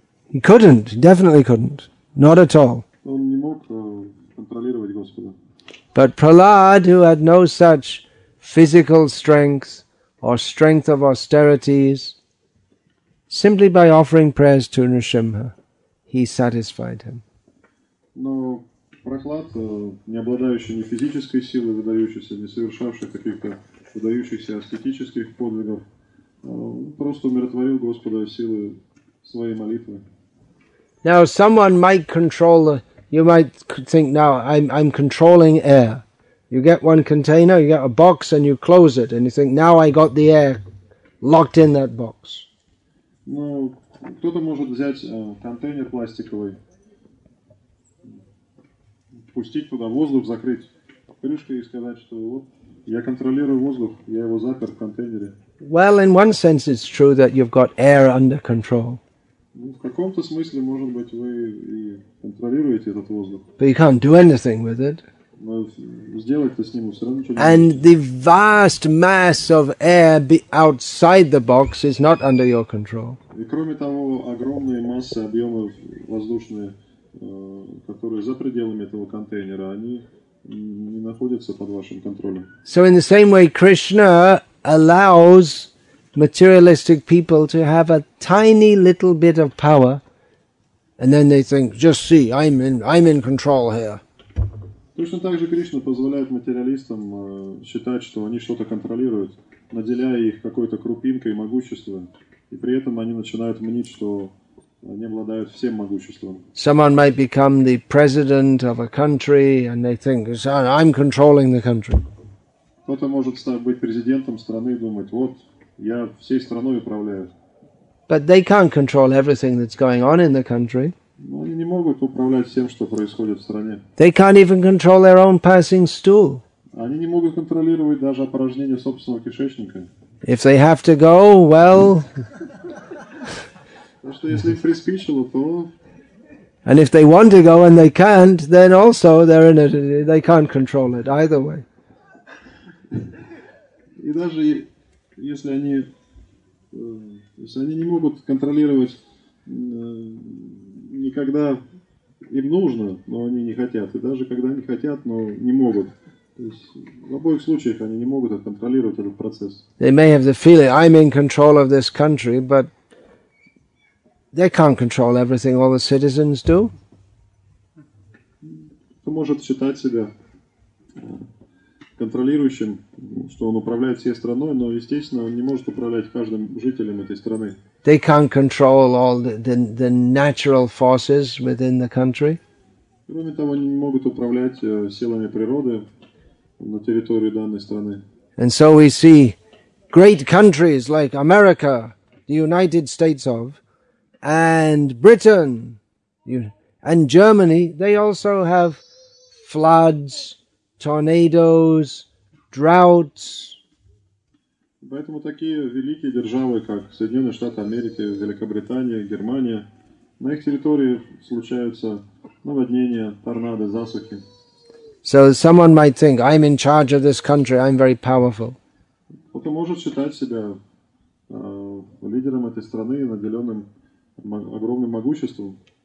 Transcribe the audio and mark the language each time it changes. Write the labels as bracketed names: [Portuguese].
[English] He couldn't, definitely couldn't, not at all. [Russian] Он не мог контролировать Господа. [English] But Prahlad, who had no such physical strength or strength of austerities, simply by offering prayers to Nrisimha, he satisfied him. [Russian] Но Прохлад, не обладающий ни физической силой выдающейся, ни совершавший каких-то выдающихся аскетических подвигов, просто умиротворил Господа силой своей молитвы. [English] Now someone might control, you might think, now I'm controlling air. You get one container, you get a box, and you close it, and you think, now I got the air locked in that box. [Russian] Ну, кто-то может взять контейнер пластиковый, пустить туда воздух, закрыть крышкой и сказать, что вот, я контролирую воздух, я его запер в контейнере. [English] Well, in one sense it's true that you've got air under control. [Russian] Ну, в каком-то смысле, может быть, вы и контролируете этот воздух. [English] But you can't do anything with it. [Russian] Но сделать-то с ним все равно ничего не And нет. [English] The vast mass of air outside the box is not under your control. [Russian] И кроме того, огромные массы, объемы воздушные, которые за пределами этого контейнера, они не находятся под вашим контролем. [English] So in the same way, Krishna allows materialistic people to have a tiny little bit of power, and then they think, just see, I'm in control here. [Russian] Точно так же Кришна позволяет материалистам считать, что они что-то контролируют, наделяя их какой-то крупинкой могущества, и при этом они начинают мнить, что они обладают всем могуществом. [English] Someone might become the president of a country, and they think, I'm controlling the country. [Russian] Кто-то может быть президентом страны и думать, вот, я всей страной управляю. [English] But they can't control everything that's going on in the country. [Russian] Но они не могут управлять всем, что происходит в стране. [English] They can't even control their own passing stool. [Russian] Они не могут контролировать даже опорожнение собственного кишечника. [English] If they have to go, well... [Russian] Потому что если их приспичило, то... [English] And if they want to go and they can't, then also they're in it, they can't control it either way. [Russian] И даже если они... Если они не могут контролировать никогда им нужно, но они не хотят. И даже когда они хотят, но не могут. То есть в обоих случаях они не могут контролировать этот процесс. [English] They may have the feeling, I'm in control of this country, but they can't control everything all the citizens do. [Russian] Кто может считать себя контролирующим, что он управляет всей страной, но, естественно, он не может управлять каждым жителем этой страны. [English] They can't control all the natural forces within the country. [Russian] Кроме того, они не могут управлять силами природы на территории данной страны. [English] And so we see great countries like America, the United States of, and Britain, and Germany, they also have floods, tornadoes, droughts. [Russian] Поэтому такие великие державы, как Соединенные Штаты Америки, Великобритания, Германия, на их территории случаются наводнения, торнадо, засухи. [English] So someone might think, I'm in charge of this country, I'm very powerful. [Russian] Кто-то может считать себя лидером этой страны, наделенным огромным могуществом.